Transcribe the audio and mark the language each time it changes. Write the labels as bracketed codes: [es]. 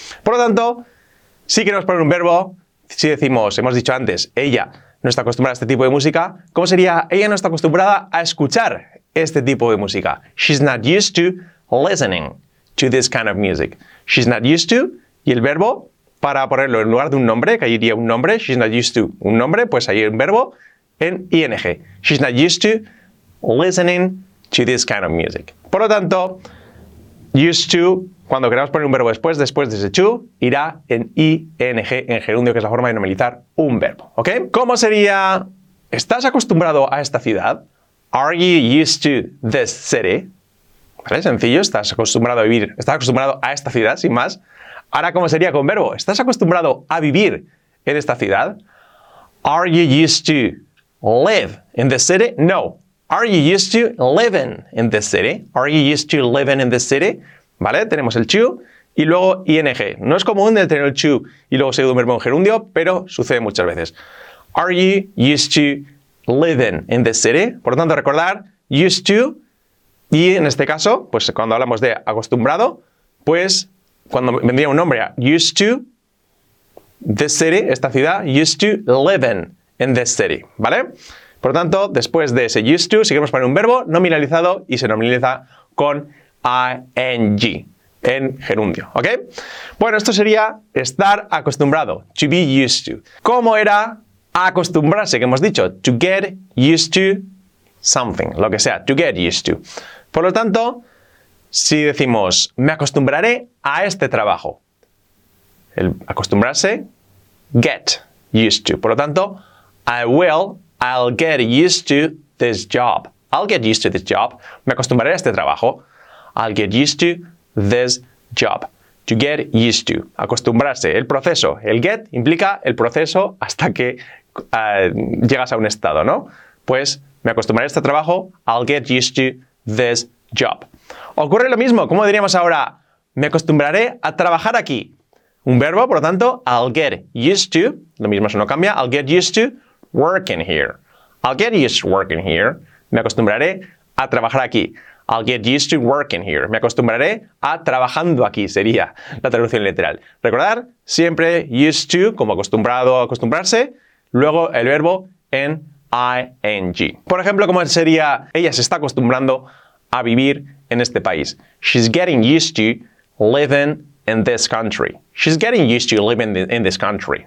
[es] Por lo tanto, si queremos poner un verbo, si decimos, hemos dicho antes, ella no está acostumbrada a este tipo de música, ¿cómo sería? Ella no está acostumbrada a escuchar este tipo de música. [en] She's not used to listening to this kind of music. She's not used to. [es] Y el verbo, para ponerlo en lugar de un nombre, que ahí iría un nombre, [en] she's not used to [es] un nombre, pues ahí un verbo en ing. [en] She's not used to listening to this kind of music. [es] Por lo tanto, used to, cuando queramos poner un verbo después de ese to, irá en ing, en gerundio, que es la forma de nominalizar un verbo. ¿Ok? ¿Cómo sería? ¿Estás acostumbrado a esta ciudad? [en] Are you used to this city? [es] ¿Vale? Sencillo, estás acostumbrado a vivir, estás acostumbrado a esta ciudad, sin más. Ahora, ¿cómo sería con verbo? ¿Estás acostumbrado a vivir en esta ciudad? [en] Are you used to live in the city? No. Are you used to living in the city? Are you used to living in the city? [es] ¿Vale? Tenemos el to y luego ing. No es común de tener el to y luego seguido un verbo en gerundio, pero sucede muchas veces. [en] Are you used to living in the city? [es] Por lo tanto, recordar, used to, y en este caso, pues cuando hablamos de acostumbrado, pues cuando vendría un nombre, [en] used to this city, [es] esta ciudad, [en] used to living in this city, [es] ¿vale? Por lo tanto, después de ese used to, si queremos poner un verbo, nominalizado y se nominaliza con ing, en gerundio, ¿ok? Bueno, esto sería estar acostumbrado, [en] to be used to. [es] ¿Cómo era acostumbrarse, que hemos dicho? [en] To get used to something, [es] lo que sea, [en] to get used to. [es] Por lo tanto, si decimos, me acostumbraré a este trabajo, el acostumbrarse, [en] get used to. [es] Por lo tanto, [en] I'll get used to this job. I'll get used to this job. [es] Me acostumbraré a este trabajo. [en] I'll get used to this job. To get used to. [es] Acostumbrarse. El proceso. El get implica el proceso hasta que llegas a un estado, ¿no? Pues, me acostumbraré a este trabajo. [en] I'll get used to this job. [es] Ocurre lo mismo. ¿Cómo diríamos ahora? Me acostumbraré a trabajar aquí. Un verbo, por lo tanto, [en] I'll get used to. [es] Lo mismo, eso no cambia. [en] I'll get used to working here. I'll get used to working here. [es] Me acostumbraré a trabajar aquí. [en] I'll get used to working here. [es] Me acostumbraré a trabajando aquí, sería la traducción literal. Recordar, siempre used to, como acostumbrado a acostumbrarse, luego el verbo en ing. Por ejemplo, ¿cómo sería? Ella se está acostumbrando a vivir en este país. [en] She's getting used to living in this country. She's getting used to living in this country.